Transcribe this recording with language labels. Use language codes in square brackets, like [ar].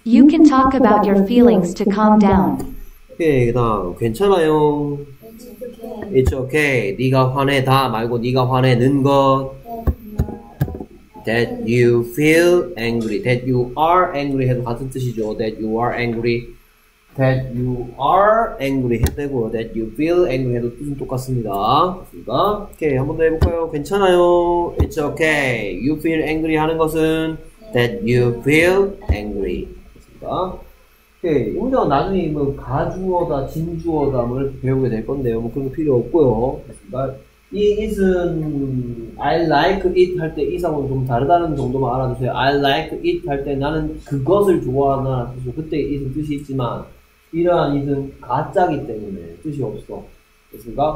[en] You can talk about your feelings to calm down. [ko] 오케이, 그 다음 괜찮아요. [en] It's okay. It's okay. [ko] 네가 화내 다 말고 네가 화내는 것. [en] That you feel angry. That you are angry [ko] 해도 같은 뜻이죠. [en] That you are angry. That you are angry [ko] 해대고 [en] that you feel angry [ko] 해도 뜻은 똑같습니다. 그렇습니까? 오케이, 한 번 더 해볼까요? 괜찮아요. [en] It's okay. You feel angry [ko] 하는 것은 [en] that you feel angry. [ko] 그렇습니까? 오케이, 이 문장은 나중에 뭐 가주어다, 진주어다 뭐 이렇게 배우게 될 건데요. 뭐 그런 거 필요 없고요. 그렇습니까? 이 it은 [en] I like it [ko] 할 때 it하고는 좀 다르다는 정도만 알아두세요. [en] I like it [ko] 할 때 나는 그것을 좋아하나 그때 it은 뜻이 있지만 이러한 it은 가짜이기 때문에 뜻이 없어. 됐습니까?